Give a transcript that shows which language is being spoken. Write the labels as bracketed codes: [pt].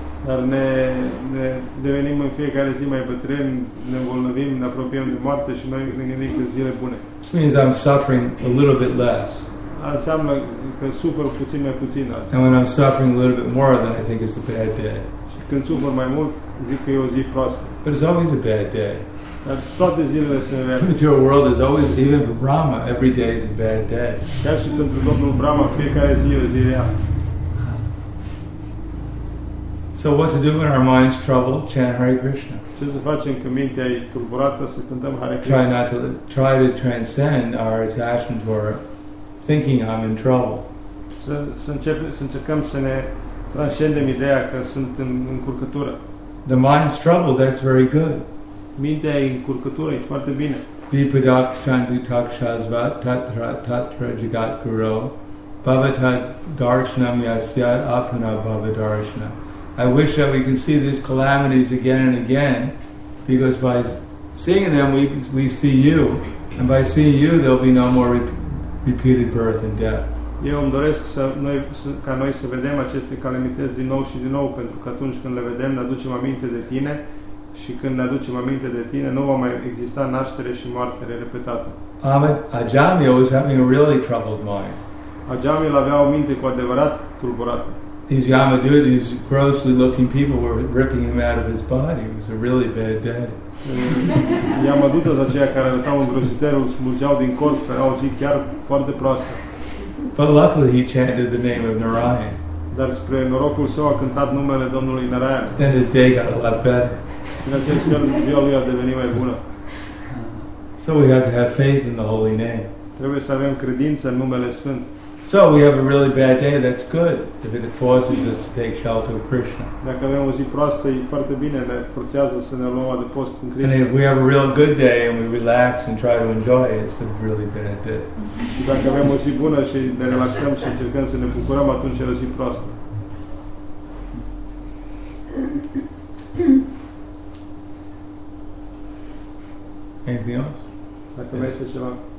[ro] Dar ne devenim în fiecare zi mai bătrâni, ne îmbolnăvim, ne apropiem de moarte și noi ne gândim că zile bune. [en] Which means I'm suffering a little bit less. [ro] Înseamnă că sufăr puțin mai puțin azi. [en] And when I'm suffering a little bit more, then I think it's a bad day. [ro] Și când sufăr mai mult, zic că e o zi proastă. [en] But it's always a bad day. [ro] Dar toate zilele sunt rele. [en] Because your world is always, even for Brahma, every day is a bad day. [ro] Chiar și pentru Domnul Brahma, fiecare zi e o zi rea. [en] So what to do when our mind's troubled? Chant Hare Krishna. [ro] Ce să facem când mintea e tulburată, să cântăm Hare Krishna. [en] Try not to, try to transcend our attachment to our thinking I'm in trouble. [ro] Să încercăm să ne transcendem ideea că sunt în încurcătură. [en] The mind's troubled, that's very good. [ro] Mintea e încurcătură, e foarte bine. [sa] Vipadakshantitakshasvat tatra tatra jagat guru bhavatad darshanam yasyat apana bhavadarshanam. [en] I wish that we can see these calamities again and again, because by seeing them, we see you. And by seeing you, there'll be no more repeated birth and death. [ro] Eu îmi doresc ca noi să vedem aceste calamități din nou și din nou, pentru că atunci când le vedem, ne aducem aminte de tine, și când ne aducem aminte de tine, nu va mai exista naștere și moartere repetată. [en] Ajamil was having a really troubled mind. [ro] Ajamil avea o minte cu adevărat tulburată. [en] These Yamadutas, these grossly looking people, were ripping him out of his body. It was a really bad day. [ro] Yamadutas aceia care arătau îngrozitor, îl smulgeau din corp, era o zi chiar foarte proastă. [en] But luckily he chanted the name of Narayan. [ro] Dar spre norocul său a cântat numele Domnului Narayan. [en] Then his day got a lot better. [ro] În acest fel, ziua lui a devenit mai bună. [en] So we have to have faith in the holy name. [ro] Trebuie să avem credință în numele Sfânt. [en] So we have a really bad day, that's good. If it forces us to take shelter of Krishna. [ro] Dacă avem o zi proastă, e foarte bine, ne forțează să ne luăm adăpost în Krishna. [en] And if we have a real good day and we relax and try to enjoy it, it's a really bad day. [ro] Și dacă avem o zi bună și ne relaxăm și încercăm să ne bucurăm, atunci e o zi proastă. [en] Anything else? [ro] Dacă vrei să ceva.